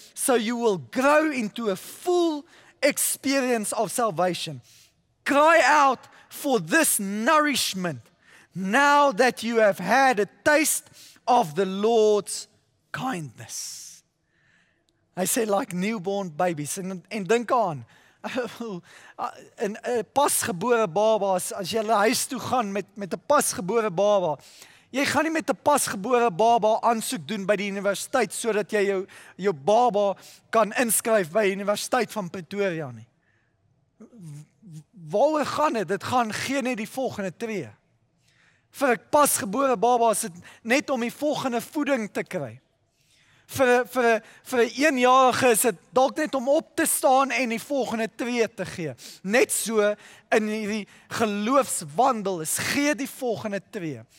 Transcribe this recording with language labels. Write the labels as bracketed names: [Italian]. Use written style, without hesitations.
[English] So you will grow into a full experience of salvation. Cry out for this nourishment now that you have had a taste of the Lord's kindness. [Afrikaans] Hy sê [English] like newborn babies. [Afrikaans] En dink aan, een pasgebore baba, as jy huis toe gaan met 'n pasgebore baba, jy gaan nie met 'n pasgebore baba aansoek doen by die universiteit, so dat jy jou baba kan inskryf by die universiteit van Pretoria nie. Waar gaan dit? Dit gaan geen net die volgende tree. Vir 'n pasgebore baba is dit net om die volgende voeding te kry. Vir 'n eenjarige is dit dalk net om op te staan en die volgende tree te gee. Net so in die geloofswandel is, gee die volgende tree.